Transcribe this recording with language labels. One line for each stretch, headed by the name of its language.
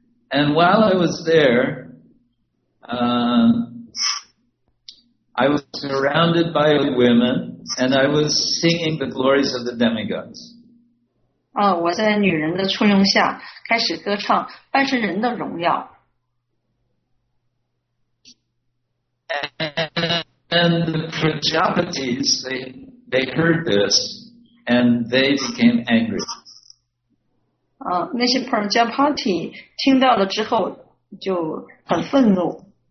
English: And while I was there, I was surrounded by women, and I was singing the glories of the demigods.
Chinese: 我在女人的簇拥下开始歌唱半神人的荣耀。
English: And the Prajapatis, they heard this, and they became angry.
Chinese: 那些 Prajapati 听到了之后就很愤怒。